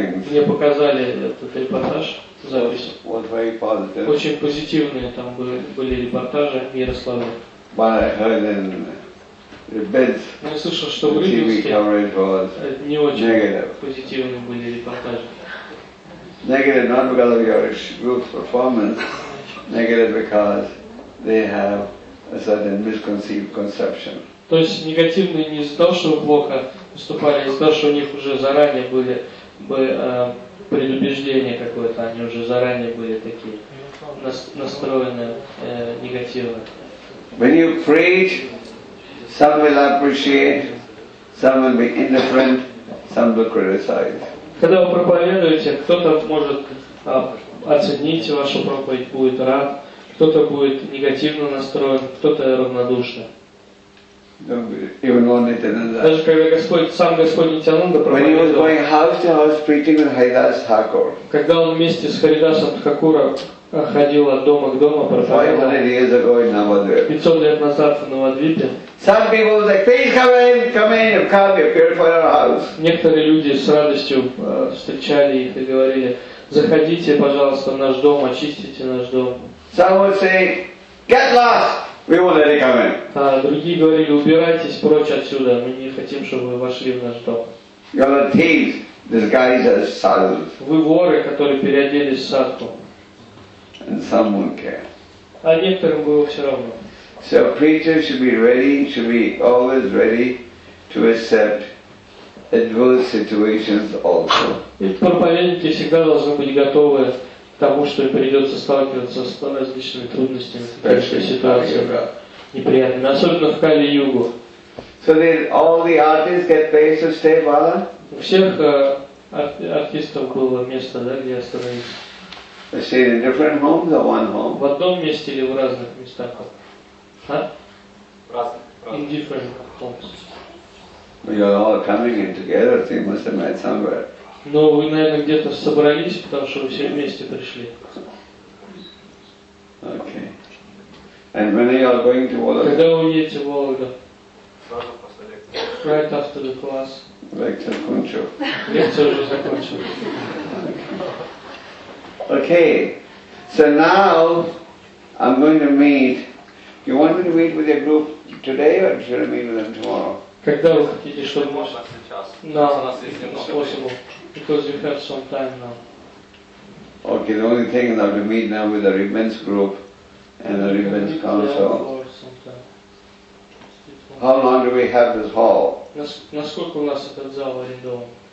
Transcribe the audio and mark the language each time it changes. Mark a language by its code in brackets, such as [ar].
[ru] Мне показали этот репортаж, запись. Очень позитивные там были репортажи в Ярославле. Я слышал, что в Рыбинске не очень позитивные были репортажи. [en] Negative not because of your group's performance, negative because they have a certain misconceived conception. [ru] То есть негативные не из-за того, что вы плохо выступали, а из-за того, что у них уже заранее были предубеждения какое-то, они уже заранее были такие настроены негативно. [en] When you preach, some will appreciate, some will be indifferent, some will criticize. [ru] Когда вы проповедуете, кто-то может оценить вашу проповедь, будет рад, кто-то будет негативно настроен, кто-то равнодушен. [en] Even only that. [ru] Даже когда Господь, сам Господь Нитянанда проповедовал. [en] When he was going house to house preaching with Haridas Thakur. [ru] Когда он вместе с Харидасом Хакура ходил от дома к дому проповедовал. [en] 500 years ago in Navadvip. [ru] 500 лет назад в Навадвипе. [en] Some people were like, please come in, come purify our house. [ru] Некоторые люди с радостью встречали их и говорили, заходите, пожалуйста, в наш дом, очистите наш дом. [en] Some would say, get lost. We won't let you come in. [ru] А другие говорили, убирайтесь прочь отсюда, мы не хотим, чтобы вы вошли в наш дом. [en] You're not thieves, disguised as sadhus. [ru] Вы воры, которые переоделись в садху. [en] And some won't care. [ru] А некоторым было все равно. [en] So preachers should be ready, should be always ready to accept adverse situations also. [ru] И проповедники всегда должны быть готовы к тому, что придется сталкиваться с различными трудностями, с различными ситуациями, неприятными, особенно в Кали-Югу. [en] So did all the artists get place to stay, Bala? [ru] У всех артистов было место, да, где остановиться. [en] They stayed in different homes or one home? [ru] В одном месте или в разных местах? А? В разных. [en] In different homes. Well, you're all coming in together, so you must have met somewhere. [ru] Но вы, наверное, где-то собрались, потому что вы все вместе пришли. [en] Okay. And when are you going to Vologda? [ru] Когда вы едете в Вологду? Сразу после лекции. [en] Right after the class. [ru] Лекция закончу. Лекция уже закончилась. [en] Okay. So now I'm going to meet. You want me to meet with your group today or should I meet with them tomorrow? [ru] Когда вы хотите, чтобы мы... Можно сейчас. [en] No, it's possible. Because you have some time now. Okay, the only thing is that we meet now with the Ribbons group and the Ribbons council. How long do we have this hall? [ru] Насколько у нас этот зал арендован?